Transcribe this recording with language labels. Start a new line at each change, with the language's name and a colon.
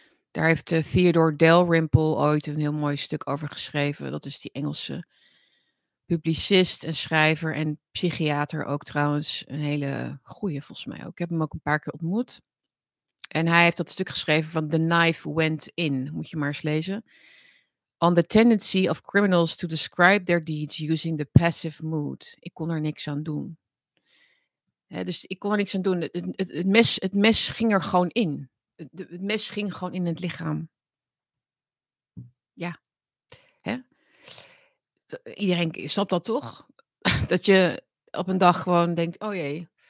Dutch: Daar heeft Theodore Dalrymple ooit een heel mooi stuk over geschreven. Dat is die Engelse publicist en schrijver en psychiater ook trouwens. Een hele goeie volgens mij ook. Ik heb hem ook een paar keer ontmoet. En hij heeft dat stuk geschreven van The Knife Went In. Moet je maar eens lezen.
English: On the tendency of criminals to describe their deeds using the passive mood.
Dutch: Ik kon er niks aan doen. He, dus ik kon er niks aan doen. Het mes ging er gewoon in. Het mes ging gewoon in het lichaam. Ja. He? Iedereen snapt dat toch? Dat je op een dag gewoon denkt, oh jee.